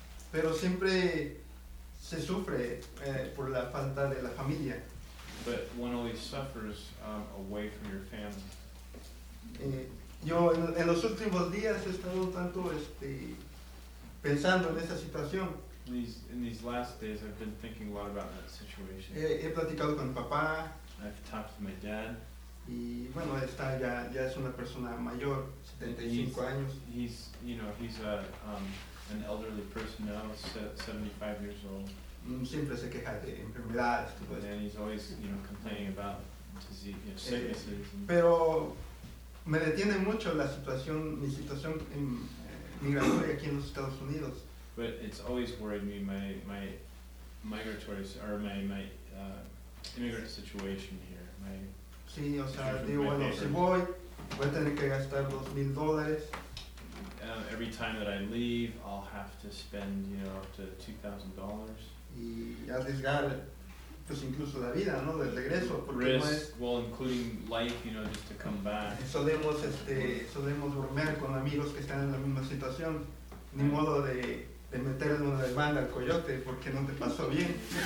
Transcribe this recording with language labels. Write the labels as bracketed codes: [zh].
[es] Pero siempre se sufre por la falta de la familia. [en] But one always suffers away from your family. [es] Yo en los últimos días he estado tanto pensando en esa situación. [en] In these last days, I've been thinking a lot about that situation. [es] He platicado con papá. [en] I've talked to my dad. [es] Y bueno, está ya es una persona mayor, 75 años. [en] He's an elderly person now, 75 years old. [es] Siempre se queja de enfermedades. [en] And then he's always, you know, complaining about disease, you know, sicknesses. [es] Pero me detiene mucho la situación, mi situación en migratoria aquí en los Estados Unidos. [en] But it's always worried me, my migratory, or my immigrant situation here. My, [es] sí, o sea, digo, bueno, si voy, voy a tener que gastar $2,000. [en] Every time that I leave, I'll have to spend, you know, up to $2,000. [es] Y arriesgar, pues incluso la vida, ¿no? Del regreso, porque [en] risk, [es] no es... [en] Well, including life, you know, just to come back. [es] Solemos dormir con amigos que están en la misma situación. Ni modo de meter en una demanda al coyote porque no te pasó bien.